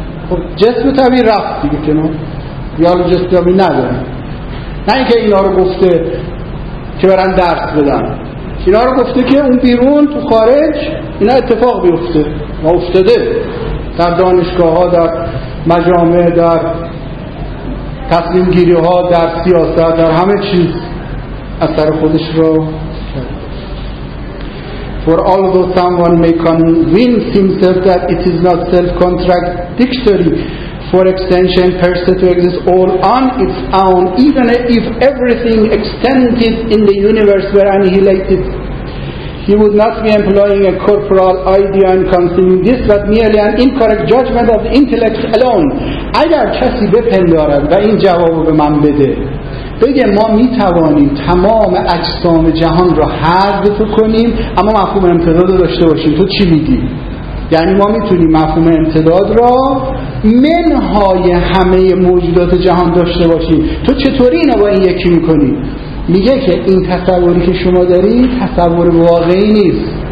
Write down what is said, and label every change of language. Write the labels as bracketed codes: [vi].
[fa] خب جسم طبیعی رفت دیگه که نه، یالو جسم طبیعی نداره، نه اینکه اینا رو گفته که برن درس بدن، اینا رو گفته که اون بیرون تو خارج اینا اتفاق بیفته و افتاده در دانشگاه ها، در مجامع، در تصمیم گیری ها، در سیاست، در همه چیز اثر خودش رو. [en] For although someone may convince himself that it is not self-contradictory for extension per se to exist all on its own, even if everything extended in the universe were annihilated, he would not be employing a corporal idea in considering this, but merely an incorrect judgment of the intellect alone. [fa] اگر کسی بپندارد و این جوابو به من بده، بگه ما میتوانیم تمام اجسام جهان را حذف کنیم اما مفهوم امتداد داشته باشیم، تو چی میگی؟ یعنی ما میتونیم مفهوم امتداد را منهای همه موجودات جهان داشته باشیم، تو چطوری اینو با این یکی میکنی؟ میگه که این تصوری که شما دارید تصور واقعی نیست،